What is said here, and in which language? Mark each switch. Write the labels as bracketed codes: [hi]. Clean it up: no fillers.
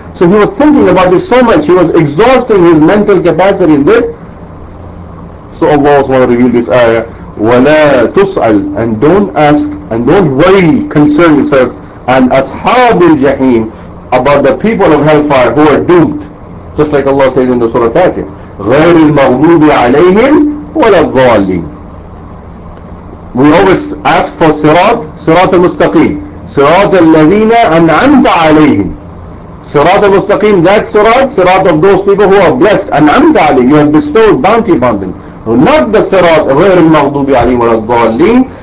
[en] So he was thinking about this so much. He was exhausting his mental capacity in this. So Allah wants to reveal this ayah, [ar] وَلَا تُسْأَلْ. [en] And don't ask and don't worry, concern yourself, and [ar] أَصْحَابِ الْجَحِيمِ, [en] about the people of Hellfire who are doomed. Just like Allah says in the Surah Fatiha, [ar] غير المغضوب عليهم ولا الضالين. [en] We always ask for sirat, sirat al-mustaqim, sirat al-ladhina an'amta alayhim. Sirat al-mustaqim, that sirat, sirat of those people who are blessed, an'amta alayhim, you have bestowed bounty upon them. Not the sirat, [ar] غير المغضوب عليهم ولا الضالين.